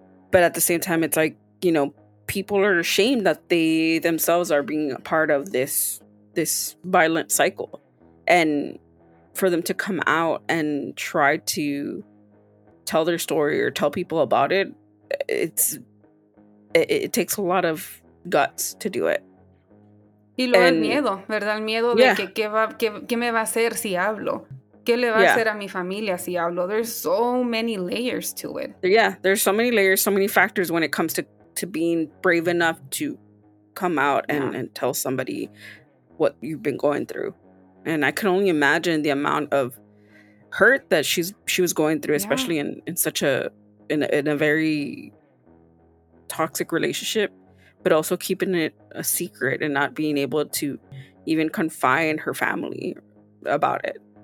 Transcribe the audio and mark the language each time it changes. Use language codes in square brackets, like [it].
[en] But at the same time, it's like, you know, people are ashamed that they themselves are being a part of this violent cycle. And for them to come out and try to tell their story or tell people about it, it takes a lot of guts to do it. [es] Y luego el miedo, ¿verdad? El miedo de que me va a hacer si hablo? ¿Qué le va a hacer a mi familia si hablo? [en] There's so many layers to it. Yeah, there's so many layers, so many factors when it comes to being brave enough to come out and tell somebody what you've been going through. And I can only imagine the amount of hurt that she was going through, especially in a very toxic relationship, but also keeping it a secret and not being able to even confide in her family about it.